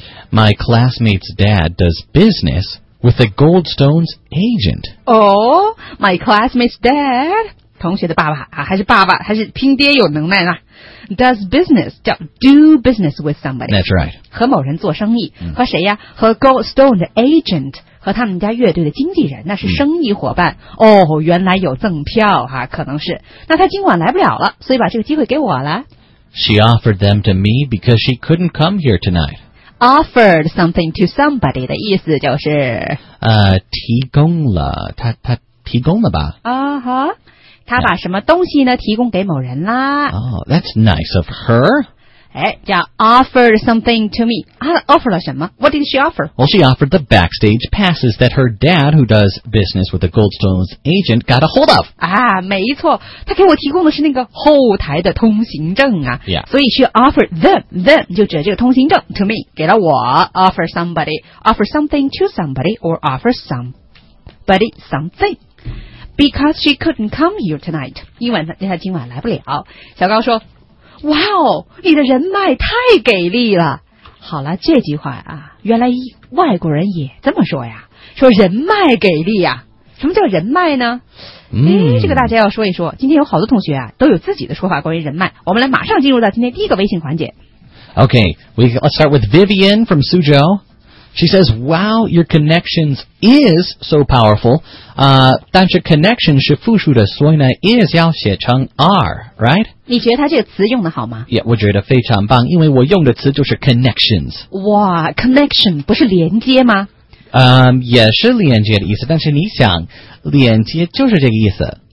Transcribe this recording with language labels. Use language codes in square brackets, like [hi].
[en] My classmate's dad does business with a Goldstone's agent. Oh, my classmate's dad... [zh] 同学的爸爸啊，还是爸爸，还是拼爹有能耐啊。 [en] Does business 叫 do business with somebody. That's right. [zh] 和某人做生意，和谁呀？和 Goldstone 的 agent， 和他们家乐队的经纪人，那是生意伙伴。哦，原来有赠票哈，可能是。那他今晚来不了了，所以把这个机会给我了。 [en] She offered them to me because she couldn't come here tonight. Offered something to somebody 的意思就是 [zh] 提供了，他提供了吧？啊哈。他把什么东西呢提供给某人啦。 [en] Oh, that's nice of her. 哎，叫 offered something to me. [zh] 她 offer 了什么？ [en] What did she offer? Well, she offered the backstage passes that her dad, who does business with the Goldstone's agent, got a hold of. [zh] 啊，没错，他给我提供的是那个后台的通行证啊。 [en] Yeah. 所以 she offered them [zh] 就指这个通行证 [en] to me, 给了我 offer somebody, offer something to somebody, or offer somebody something. Because she couldn't come here tonight. [zh] 因为她今晚来不了。小高说，哇哦，你的人脉太给力了。好了，这句话啊，原来外国人也这么说呀，说人脉给力呀。什么叫人脉呢？这个大家要说一说。今天有好多同学啊，都有自己的说法关于人脉。我们来马上进入到今天第一个微信环节。 [en] Okay, let's start with Vivian from Suzhou. She says, wow, your connections is so powerful. [zh] 但是 connection 是复数的，所以呢 is 要写成 are, right? 你觉得它这个词用的好吗？ Yeah, 我觉得非常棒，因为我用的词就是 connections. 哇 connection 不是连接吗？也是连接的意思，但是你想连接就是这个意思。